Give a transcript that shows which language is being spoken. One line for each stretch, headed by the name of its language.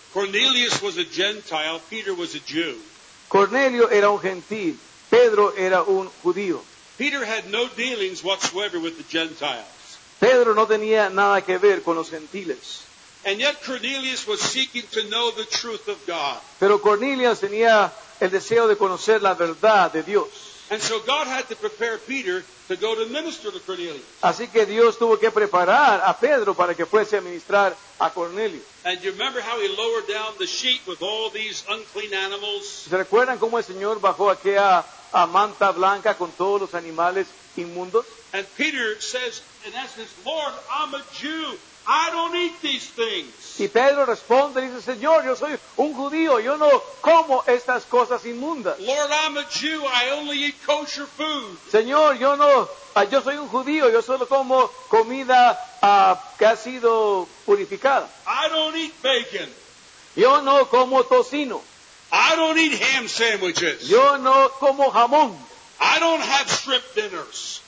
English: Cornelius was a Gentile, Peter was a Jew.
Spanish: Cornelio era un gentil, Pedro era un judío.
English: Peter had no dealings whatsoever with the Gentiles.
Spanish: Pedro no tenía nada que ver con los gentiles.
English: And yet Cornelius was seeking to know the truth of God.
Spanish: Pero Cornelius tenía el deseo de conocer la verdad de Dios.
English: And so God had to prepare Peter to go to minister to Cornelius.
Spanish: Así que Dios tuvo que preparar a Pedro para que fuese a ministrar a Cornelio.
English: And you remember how he lowered down the sheet with all these unclean animals?
Spanish: ¿Se recuerdan cómo el Señor bajó aquella a manta blanca con todos los animales inmundos?
English: And Peter says, in essence, Lord, I'm a Jew. I don't eat these things.
Spanish: Y Pedro responde y dice, Señor, yo soy un judío, yo no como estas cosas inmundas.
English: Lord, I'm a Jew, I only eat kosher food.
Spanish: Señor, yo no, yo soy un judío, yo solo como comida que ha sido purificada.
English: I don't eat bacon.
Spanish: Yo no como tocino.
English: I don't eat ham sandwiches.
Spanish: Yo no como jamón.
English: I don't have shrimp dinners.